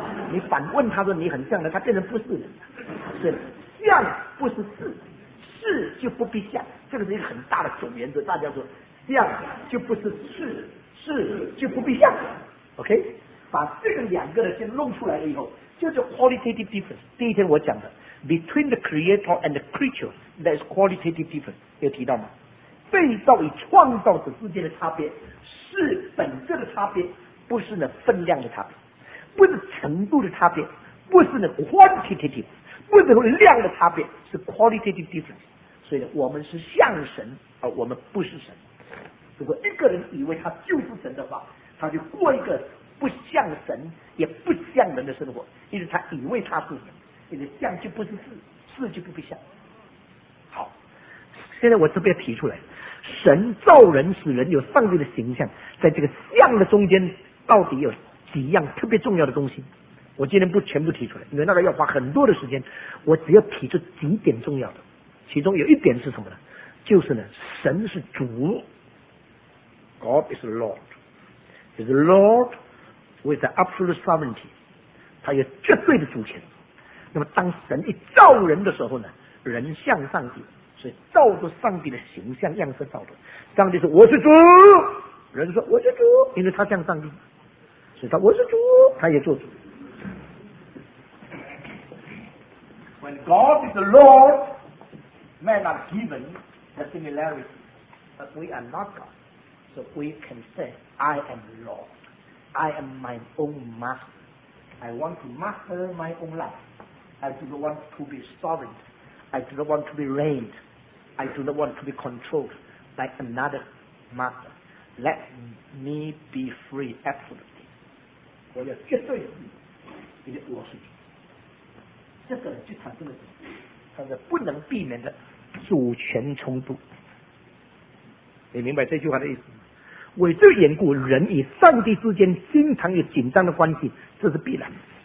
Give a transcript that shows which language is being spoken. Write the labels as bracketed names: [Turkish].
[Chinese] 你反问他说你很像人，他变成不是人了。是像不是是，是就不必像。这个是一个很大的总原则，大家说像就不是是，是就不必像。 OK， 把这个两个的先弄出来了以后，就是 [English] qualitative difference。 [Chinese] 第一天我讲的 [English] between the creator and the creature， that is qualitative difference， [Chinese] 有提到吗？被造与创造者之间的差别，是本质的差别，不是呢分量的差别，不是程度的差别，不是呢 quantitative， 不是量的差别，是 [English] qualitative difference。 [Chinese] 所以呢，我们是像神，而我们不是神。如果一个人以为他就是神的话，他就过一个不像神也不像人的生活，因为他以为他是神，因为像就不是是，是就不必像。好，现在我这边提出来，神造人使人有上帝的形象，在这个像的中间到底有几样特别重要的东西，我今天不全部提出来，因为那个要花很多的时间，我只要提出几点重要的。其中有一点是什么呢？就是呢，神是主， [English] God is Lord， is Lord with the absolute sovereignty， [Chinese] 他有绝对的主权。那么当神一造人的时候呢，人像上帝，所以照着上帝的形象样式造的。上帝说我是主，人说我是主，因为他像上帝，所以他我是主，他也做主。 [English] When God is the Lord, men are given the similarity, but we are not God, so we can say I am Lord, I am my own master, I want to master my own life, I do not want to be sovereign, I do not want to be reigned,I do not want to be controlled by another master. Let me be free, absolutely. [Chinese] 我要绝对的自由，因为我是主。这个就产生了什么？它是不能避免的主权冲突。你明白这句话的意思吗？为这缘故，人与上帝之间经常有紧张的关系，这是必然的。